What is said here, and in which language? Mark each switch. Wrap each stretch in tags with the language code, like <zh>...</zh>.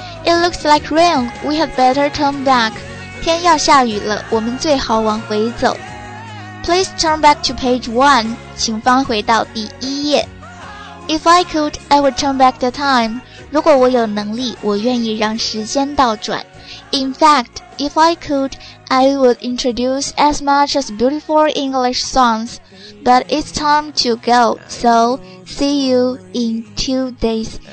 <en>It looks like rain. We had better turn back.</en> <zh>天要下雨了，我们最好往回走。</zh> <en>Please turn back to page one,</en> <zh>请翻回到第一页。</zh> <en>If I could, I would turn back the time.</en> <zh>如果我有能力，我愿意让时间倒转。</zh> <en>In fact, if I could, I would introduce as much as beautiful English songs. But it's time to go, so see you in 2 days.</en>